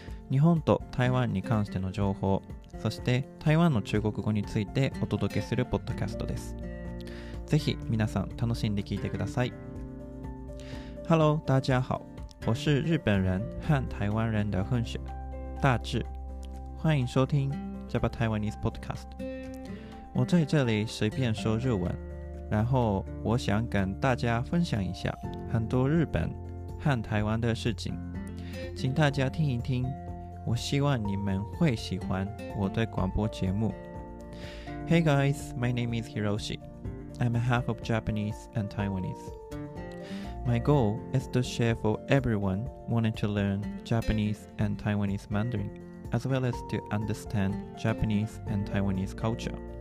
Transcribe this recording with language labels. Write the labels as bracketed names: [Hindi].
[Japanese] 日本と台湾に関しての情報、そして台湾の中国語についてお届けするポッドキャストです。ぜひ皆さん楽しんで聞いてください。 [Chinese] Hello 大家好，我是日本人和台湾人的混血大智，欢迎收听Japan Taiwanese Podcast。我在这里随便说日文，然后我想跟大家分享一下很多日本和台湾的事情，请大家听一听，我希望你们会喜欢我的广播节目。 [English] Hey guys, my name is Hiroshi. I'm a half of Japanese and Taiwanese. My goal is to share for everyone wanting to learn Japanese and Taiwanese Mandarin. As well as to understand Japanese and Taiwanese culture.